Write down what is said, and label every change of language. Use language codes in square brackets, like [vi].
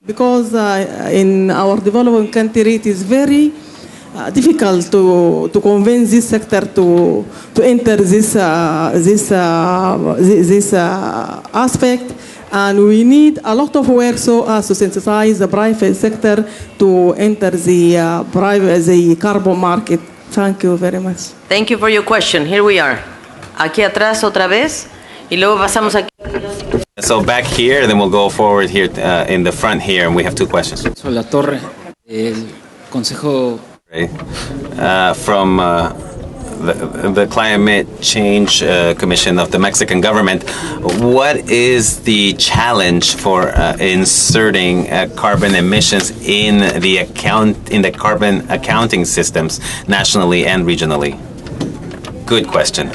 [en] Because in our developing country, it is very difficult to convince this sector to enter this aspect, and we need a lot of work so as to sensitize the private sector to enter the carbon market. Thank you very much. Thank you for your question. Here we are. [es] Aquí atrás otra vez, y luego pasamos aquí. [en] So back here, then we'll go forward here in the front here, and we have two questions. [es] Soy La Torre, el Consejo. [en] From the Climate Change Commission of the Mexican government, what is the challenge for inserting carbon emissions in the account in the carbon accounting systems nationally and regionally? Good question.